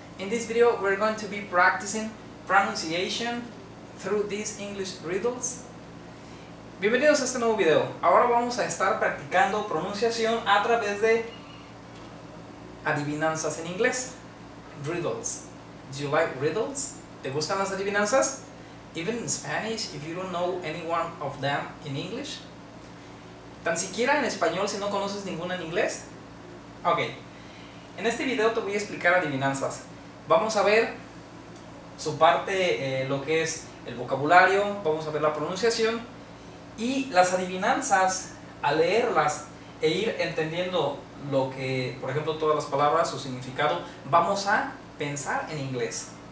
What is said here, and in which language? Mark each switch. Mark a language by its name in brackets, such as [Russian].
[English] In this video, we're going to be practicing pronunciation through these English riddles. [Spanish] Bienvenidos a este nuevo video. Ahora vamos a estar practicando pronunciación a través de adivinanzas en inglés. [English] Riddles. Do you like riddles? [Spanish] ¿Te gustan las adivinanzas? [English] Even in Spanish, if you don't know any one of them in English. [Spanish] Tan siquiera en español si no conoces ninguna en inglés. Ok, en este video te voy a explicar adivinanzas. Vamos a ver su parte, lo que es el vocabulario, vamos a ver la pronunciación. Y las adivinanzas, al leerlas e ir entendiendo lo que, por ejemplo, todas las palabras, su significado, vamos a pensar en inglés.